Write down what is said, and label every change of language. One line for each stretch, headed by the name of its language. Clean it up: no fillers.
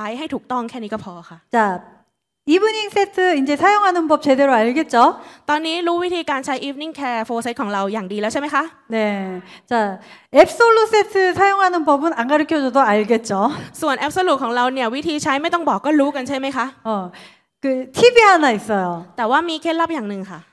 Thai: เราแค่รู้จักผลิตภัณฑ์ของเราเนี่ยให้ดีแล้วก็บอกต่อวิธีการใช้ให้ถูกต้องแค่นี้ก็พอค่ะ
Korean: 자 이브닝 세트 이제 사용하는 법 제대로 알겠죠?
Thai: ตอนนี้รู้วิธีการใช้อีฟนิ่งแคร์โฟร์ไซต์ของเราอย่างดีแล้วใช่ไหมคะ
Korean: 네. 자, 앱솔루 세트 사용하는 법은 안 가르쳐줘도 알겠죠?
Thai: ส่วนแอปโซลูของเราเนี่ยวิธีใช้ไม่ต้องบอกก็รู้กันใช่ไหมคะ
Korean: 그 팁이 하나 있어요.
Thai: แต่ว่ามีเคล็ดลับอย่างหนึ่งค่ะ